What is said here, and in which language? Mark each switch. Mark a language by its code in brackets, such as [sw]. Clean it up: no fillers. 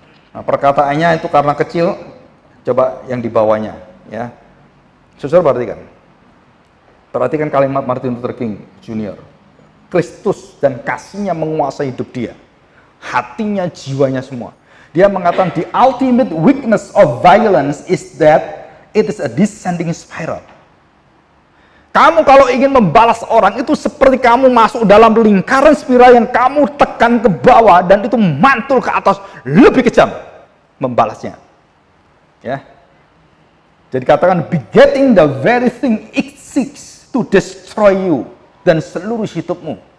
[id] Nah, perkataannya itu karena kecil, coba yang dibawanya, ya. Saudara perhatikan. Perhatikan kalimat Martin Luther King Jr. Kristus dan kasihnya menguasai hidup dia, hatinya, jiwanya semua. Dia mengatakan, [en] the ultimate weakness of violence is that it is a descending spiral. [id] Kamu kalau ingin membalas orang, itu seperti kamu masuk dalam lingkaran spiral yang kamu tekan ke bawah dan itu mantul ke atas lebih kejam membalasnya. Ya. Jadi katakan, [en] begetting the very thing it seeks to destroy you [id] dan seluruh hidupmu.